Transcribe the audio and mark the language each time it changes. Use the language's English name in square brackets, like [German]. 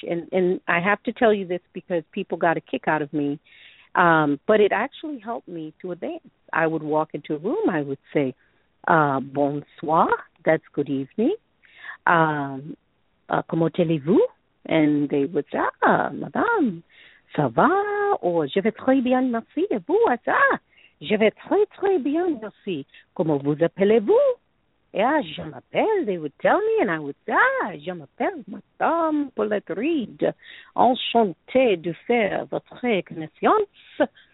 [English] And I have to tell you this because people got a kick out of me. But it actually helped me to advance. I would walk into a room. I would say, bonsoir. That's good evening. [French] comment allez-vous? [English] And they would say, [French] ah, madame, ça va? Or, je vais très bien, merci. Et vous, à ça? Je vais très, très bien, merci. Comment vous appelez-vous? [English] Yeah, [French] je m'appelle, [English] they would tell me, and I would say, [French] ah, je m'appelle Madame Paulette Reed. Enchantée de faire votre connaissance.